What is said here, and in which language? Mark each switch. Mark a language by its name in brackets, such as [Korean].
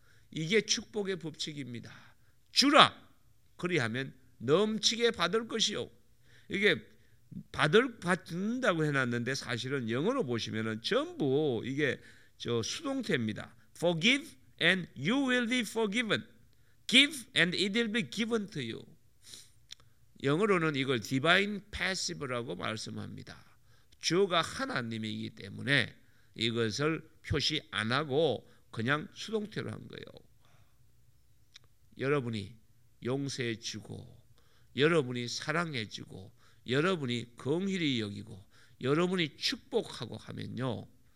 [Korean] 이게 축복의 법칙입니다. 주라 그리하면 넘치게 받을 것이요. 이게 받는다고 해놨는데 사실은 영어로 보시면은 전부 이게 저 수동태입니다. [English] Forgive and you will be forgiven. Give and it will be given to you. [Korean] 영어로는 이걸 divine passive라고 말씀합니다. 주가 하나님이기 때문에 이것을 표시 안 하고 그냥 수동태로 한 거예요. 여러분이 용서해 주고, 여러분이 사랑해 주고, 여러분이 긍휼히 여기고, 여러분이 축복하고 하면요.